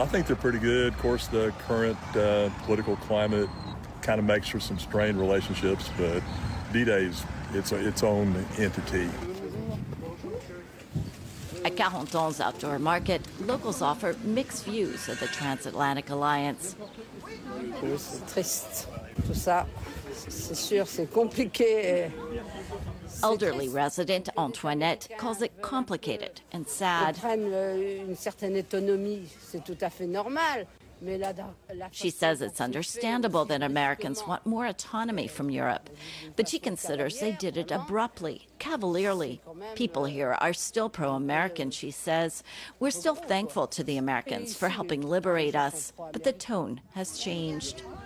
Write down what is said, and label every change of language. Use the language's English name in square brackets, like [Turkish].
[English] I think they're pretty good. Of course, the current political climate kind of makes for some strained relationships, but D-Day's its own entity. At Carentan's outdoor market, locals offer mixed views of the transatlantic alliance. [French] C'est triste, tout ça. C'est sûr, c'est compliqué. [English] Elderly resident Antoinette calls it complicated and sad. [French] Une certaine autonomie, c'est tout à fait normal. [English] She says it's understandable that Americans want more autonomy from Europe, but she considers they did it abruptly, cavalierly. People here are still pro-American, she says. We're still thankful to the Americans for helping liberate us, but the tone has changed.